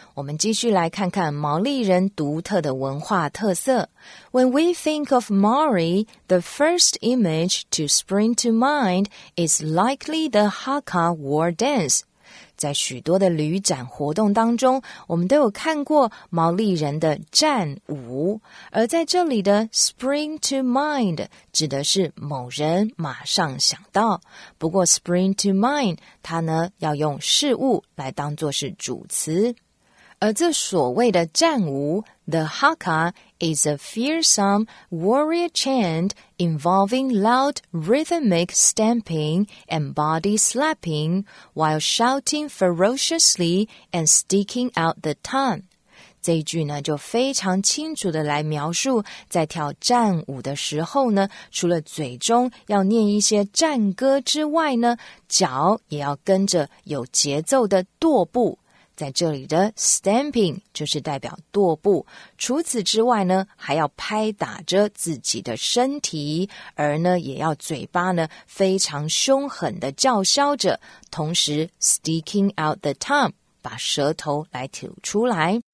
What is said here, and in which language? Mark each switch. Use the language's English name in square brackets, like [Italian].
[Chinese] 我们继续来看看毛利人独特的文化特色。 [English] When we think of Maori, the first image to spring to mind is likely the Hakka war dance. [Chinese] 在许多的旅展活动当中，我们都有看过毛利人的战舞。而在这里的 [English] spring to mind [Chinese] 指的是某人马上想到。不过 [English] spring to mind [Chinese] 它呢要用事物来当作是主词。而这所谓的战舞 [English] The Hakka is a fearsome warrior chant involving loud rhythmic stamping and body slapping while shouting ferociously and sticking out the tongue. [Chinese] 这一句呢就非常清楚的来描述在跳战舞的时候呢除了嘴中要念一些战歌之外呢脚也要跟着有节奏的踱步。在这里的 stamping 就是代表踱步，除此之外呢，还要拍打着自己的身体，而呢，也要嘴巴呢，非常凶狠的叫嚣着，同时 [English] sticking out the tongue， [Chinese] 把舌头来吐出来。